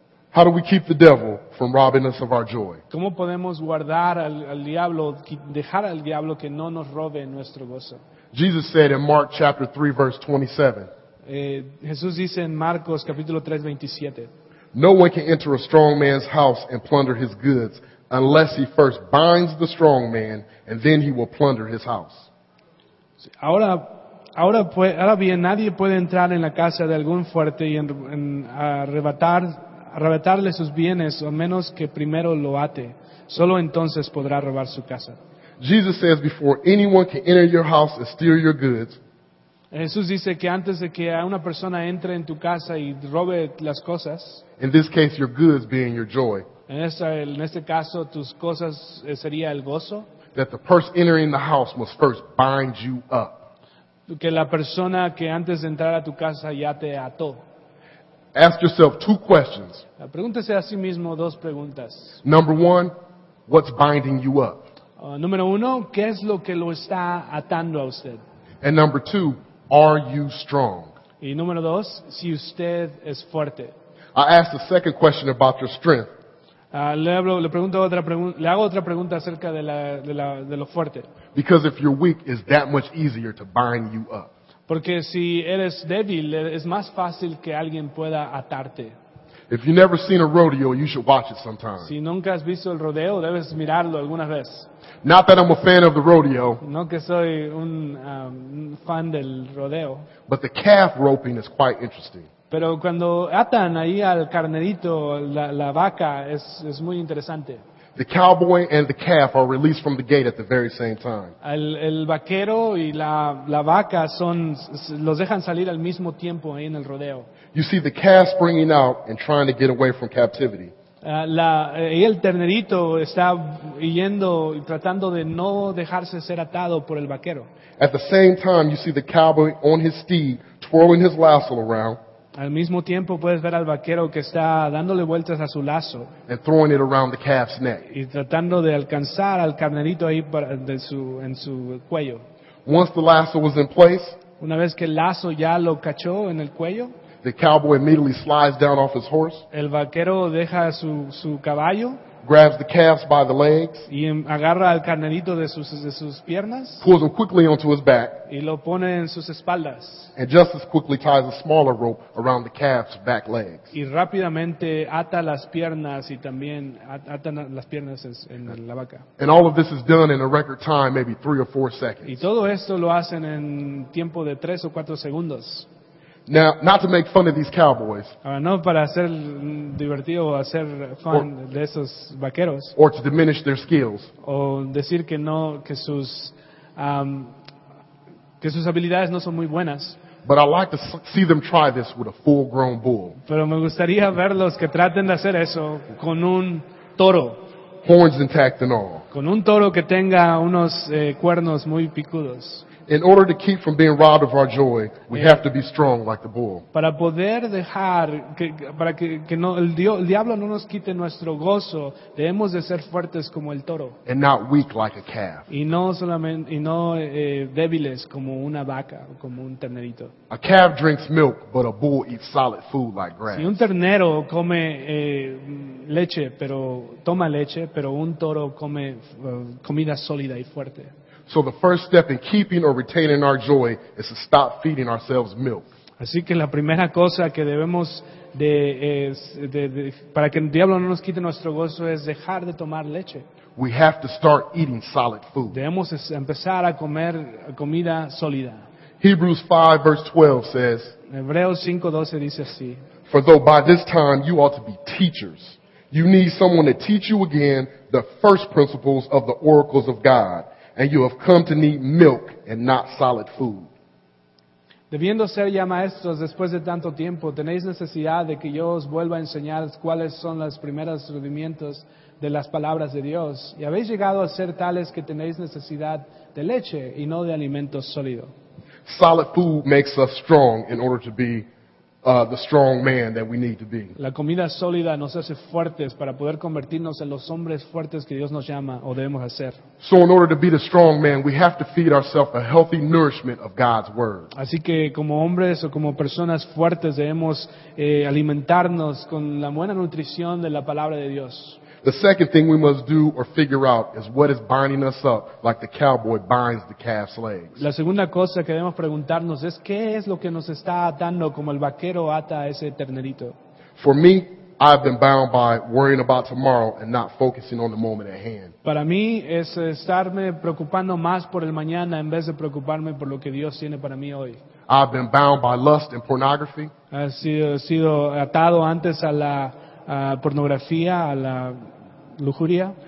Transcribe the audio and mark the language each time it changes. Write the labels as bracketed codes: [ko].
[en] How do we keep the devil from robbing us of our joy? [es] ¿Cómo podemos guardar al diablo, dejar al diablo que no nos robe nuestro gozo? [en] Jesus said in Mark chapter 3 verse 27. [es] Jesús dice en Marcos capítulo 3 27. [en] No one can enter a strong man's house and plunder his goods unless he first binds the strong man and then he will plunder his house. [es] Ahora bien, nadie puede entrar en la casa de algún fuerte y arrebatarle sus bienes, o menos que primero lo ate. Solo entonces podrá robar su casa. [en] Jesus says before anyone can enter your house and steal your goods, [es] Jesús dice que antes de que una persona entre en tu casa y robe las cosas, [en] in this case your goods being your joy, [es] en este caso tus cosas sería el gozo, [en] that the person entering the house must first bind you up. [es] Que la persona que antes de entrar a tu casa ya te ató. [en] Ask yourself two questions. [es] Pregúntese a sí mismo dos preguntas. [en] Number one, what's binding you up? [es] Número uno, ¿qué es lo que lo está atando a usted? [en] And number two, are you strong? [es] Y número dos, si usted es fuerte. [en] I ask the second question about your strength. [es] Le hago otra pregunta acerca de lo fuerte. [en] Because if you're weak, it's that much easier to bind you up. [es] Porque si eres débil, es más fácil que alguien pueda atarte. [en] If you've never seen a rodeo, you should watch it sometime. [es] Si nunca has visto el rodeo, debes mirarlo alguna vez. [en] Not that I'm a fan of the rodeo. [es] No que soy un fan del rodeo. [en] But the calf roping is quite interesting. [es] Pero cuando atan ahí al carnerito, la vaca, es muy interesante. [en] The cowboy and the calf are released from the gate at the very same time. [es] El vaquero y la vaca son los dejan salir al mismo tiempo ahí en el rodeo. [en] You see the calf springing out and trying to get away from captivity. [es] El ternerito está yendo y tratando de no dejarse ser atado por el vaquero. [en] At the same time, you see the cowboy on his steed twirling his lasso around. [es] Al mismo tiempo puedes ver al vaquero que está dándole vueltas a su lazo [en] and throwing it around the calf's neck. [es] Y tratando de alcanzar al carnerito ahí en su cuello. [en] Once the lasso was in place, [es] una vez que el lazo ya lo cachó en el cuello, [en] the cowboy immediately slides down off his horse, [es] el vaquero deja su caballo, [en] grabs the calf by the legs, [es] y agarra al carnerito de sus piernas, [en] pulls him quickly onto his back, [es] y lo pone en sus espaldas, [en] and just as quickly ties a smaller rope around the calf's back legs. [es] Y rápidamente ata las piernas y también ata las piernas en la vaca. [en] And all of this is done in a record time, maybe 3 or 4 seconds. [es] Y todo esto lo hacen en tiempo de 3 o 4 segundos. [en] Now, not to make fun of these cowboys. [es] No para hacer divertido o hacer fun de esos vaqueros. [en] Or to diminish their skills. [es] O decir que no, que sus habilidades no son muy buenas. [en] But I like to see them try this with a full-grown bull. [es] Pero me gustaría verlos que traten de hacer eso con un toro. [en] Horns intact and all. [es] Con un toro que tenga unos cuernos muy picudos. [en] In order to keep from being robbed of our joy, we have to be strong like the bull. [es] Para poder dejar que no el diablo no nos quite nuestro gozo, debemos de ser fuertes como el toro. [en] And not weak like a calf. [es] Y no débiles como una vaca o como un ternerito. [en] A calf drinks milk, but a bull eats solid food like grass. [es] Si un ternero come leche, pero toma leche, pero un toro come comida sólida y fuerte. [en] So the first step in keeping or retaining our joy is to stop feeding ourselves milk. [es] Así que la primera cosa que debemos de para que el diablo no nos quite nuestro gozo es dejar de tomar leche. [en] We have to start eating solid food. [es] Debemos empezar a comer comida sólida. [en] Hebrews 5 verse 12 says, [es] Hebreos 5:12 dice así, [en] for though by this time you ought to be teachers, you need someone to teach you again the first principles of the oracles of God. And you have come to need milk and not solid food. [es] Debiendo ser ya maestros después de tanto tiempo, tenéis necesidad de que yo os vuelva a enseñar cuáles son los primeros rudimentos de las palabras de Dios. Y habéis llegado a ser tales que tenéis necesidad de leche y no de alimento sólido. [en] Solid food makes us strong in order to be the strong man that we need to be. [es] La comida sólida nos hace fuertes para poder convertirnos en los hombres fuertes que Dios nos llama o debemos hacer. [en] So in order to be the strong man, we have to feed ourselves a healthy nourishment of God's word. [es] Así que como hombres o como personas fuertes debemos alimentarnos con la buena nutrición de la palabra de Dios. [en] The second thing we must do or figure out is what is binding us up like the cowboy binds the calf's legs. [es] La segunda cosa que debemos preguntarnos es qué es lo que nos está atando como el vaquero ata a ese ternerito. [en] For me, I've been bound by worrying about tomorrow and not focusing on the moment at hand. [es] Para mí es estarme preocupando más por el mañana en vez de preocuparme por lo que Dios tiene para mí hoy. [en] I've been bound by lust and pornography. [es] He sido atado antes a la pornografía, a la lujuria.